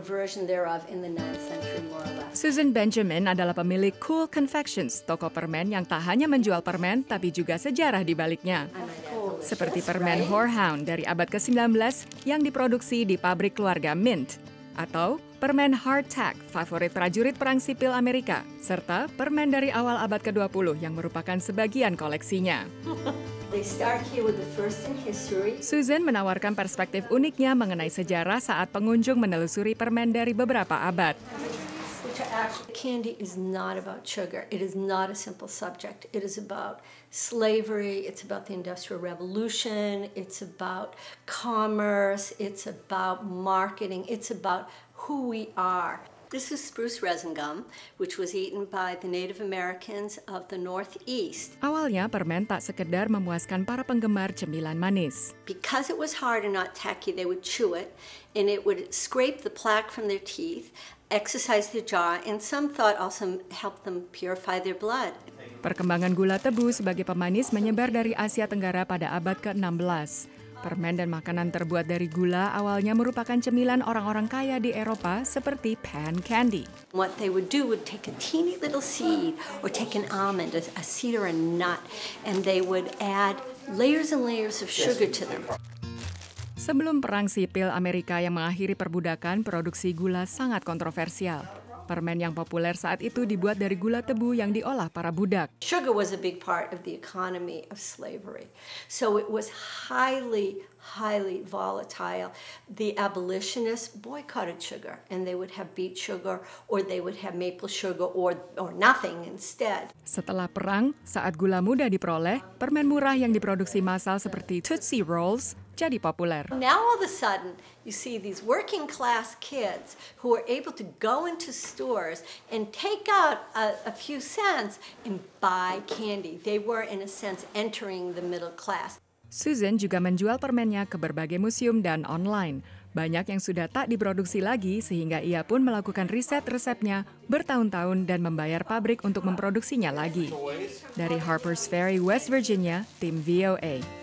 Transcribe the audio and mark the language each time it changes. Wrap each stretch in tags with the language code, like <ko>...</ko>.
<en>version thereof in the 9th century more or less.</en> <id>Susan Benjamin adalah pemilik Cool Confections, toko permen yang tak hanya menjual permen tapi juga sejarah di baliknya. Seperti permen Horehound dari abad ke-19 yang diproduksi di pabrik keluarga Mint, atau permen Hardtack, favorit prajurit perang sipil Amerika, serta permen dari awal abad ke-20 yang merupakan sebagian koleksinya.</id> <en>They start here with the first in history.</en> <id>Susan menawarkan perspektif uniknya mengenai sejarah saat pengunjung menelusuri permen dari beberapa abad.</id> <en>Candy is not about sugar. It is not a simple subject. It is about slavery, it's about the Industrial Revolution, it's about commerce, it's about marketing, it's about who we are. This is spruce resin gum, which was eaten by the Native Americans of the Northeast.</en> <id>Awalnya, permen tak sekedar memuaskan para penggemar cemilan manis.</id> <en>Because it was hard and not tacky, they would chew it, and it would scrape the plaque from their teeth, exercise their jaw, and some thought also help them purify their blood.</en> <id>Perkembangan gula tebu sebagai pemanis menyebar dari Asia Tenggara pada abad ke-16. Permen dan makanan terbuat dari gula awalnya merupakan cemilan orang-orang kaya di Eropa seperti pan candy.</id> <en>What they would do would take a teeny little seed or take an almond, a seed or a nut, and they would add layers and layers of sugar to them.</en> <id>Sebelum perang sipil Amerika yang mengakhiri perbudakan, produksi gula sangat kontroversial. Permen yang populer saat itu dibuat dari gula tebu yang diolah para budak.</id> <en>Sugar was a big part of the economy of slavery. So it was highly, highly volatile. The abolitionists boycotted sugar and they would have beet sugar or they would have maple sugar or nothing instead.</en> <id>Setelah perang, saat gula mudah diperoleh, permen murah yang diproduksi massal seperti Tootsie Rolls jadi populer.</id> <en>Now all of a sudden, you see these working class kids who are able to go into stores and take out a few cents and buy candy. They were in a sense entering the middle class.</en> <id>Susan juga menjual permennya ke berbagai museum dan online. Banyak yang sudah tak diproduksi lagi sehingga ia pun melakukan riset resepnya bertahun-tahun dan membayar pabrik untuk memproduksinya lagi. Dari Harper's Ferry, West Virginia, tim VOA.</id>